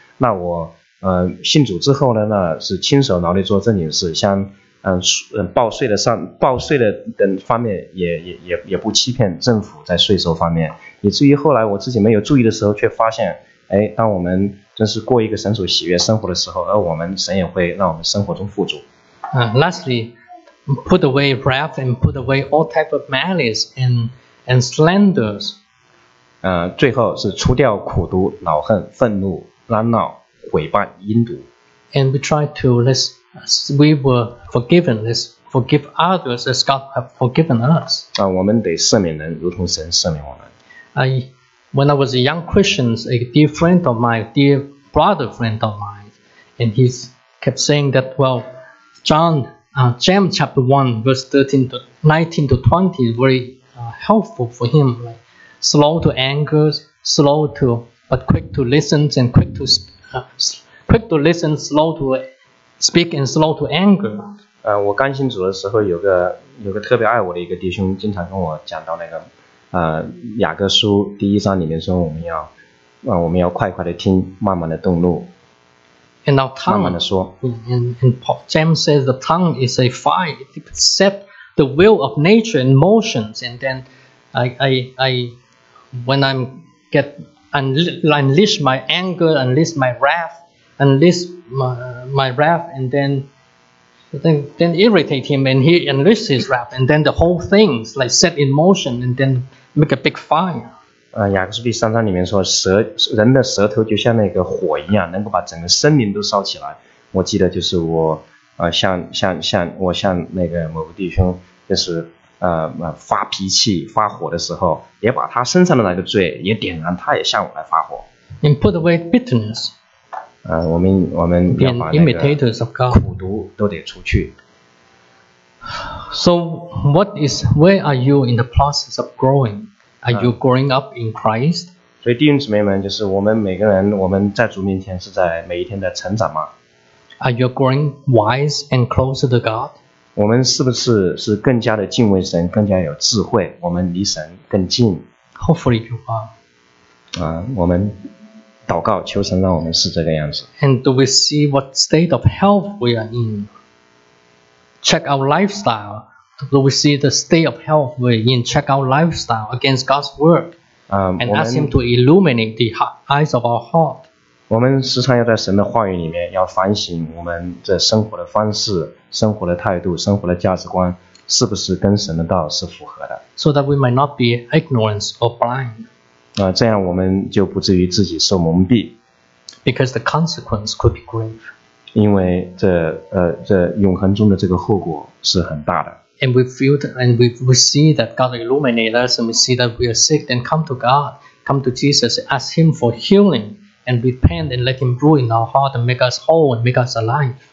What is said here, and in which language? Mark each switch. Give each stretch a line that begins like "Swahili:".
Chinese: 那我信主之后呢，那是亲手劳力做正经事，像报税的等方面也不欺骗政府在税收方面，以至于后来我自己没有注意的时候，却发现，哎，当我们真是过一个神所喜悦生活的时候，而我们神也会让我们生活中富足。
English: Lastly, put away wrath and put away all type of malice and slanders.
Chinese: 最后是除掉苦毒、恼恨、愤怒、嚷闹、毁谤、阴毒。
English: And we try to listWe were forgiven. Let's forgive others as God has forgiven us.
Chinese: 我们得赦免人，如同神赦免我们。
English: When I was a young Christian, a dear friend of mine, dear brother friend of mine, and he kept saying that, well, James chapter 1, verse 13 to 19 to 20 is very helpful for him. Like, slow to anger, but quick to listen, slow to speak and slow to anger.
Chinese: 我刚信主的时候有个特别爱我的一个弟兄经常跟我讲到那个雅各书第一章里面说我们要快快的听，慢慢的动怒。
English: And our tongue,
Chinese: 慢慢的说。
English: And Paul, James says the tongue is a fire. It set the will of nature in motions. And then unleash my anger, unleash my wrath, and then irritate him, and he unleashes his wrath, and then the whole thing is like set in motion, and then make a big fire.
Chinese: 雅各书第三章里面说，人的舌头就像那个火一样，能够把整个森林都烧起来。我记得就是我，我向那个某个弟兄，就是发脾气、发火的时候，也把他身上的那个罪也点燃，他也向我来发火。
English: And put away bitterness.
Chinese: 我们要把那个苦毒都得除去。
English: So where are you in the process of growing? Are you growing up in Christ?
Chinese: 所以弟兄姊妹们，就是我们每个人，我们在主面前是在每一天的成长吗？
English: Are you growing wise and closer to God?
Chinese: 我们是不是是更加的敬畏神，更加有智慧，我们离神更近？
English: Hopefully you are.
Chinese: 我们。祷告求神让我们是这个样子。
English: And do we see what state of health we are in? Check our lifestyle. Do we see the state of health we are in? Check our lifestyle against God's word. And ask him to illuminate the eyes of our heart.
Chinese: 我们时常要在神的话语里面要反省我们这生活的方式、生活的态度、生活的价值观是不是跟神的道是符合的。
English: So that we might not be ignorant or blind.
Chinese: 这样我们就不至于自己受蒙蔽。
English: Because the consequence could be grave.
Chinese: 因为这永恒中的这个后果是很大的。
English: And we feel that, and we see that God illuminates us, and we see that we are sick, then come to God, come to Jesus, ask him for healing, and repent and let him rule in our heart and make us whole and make us alive.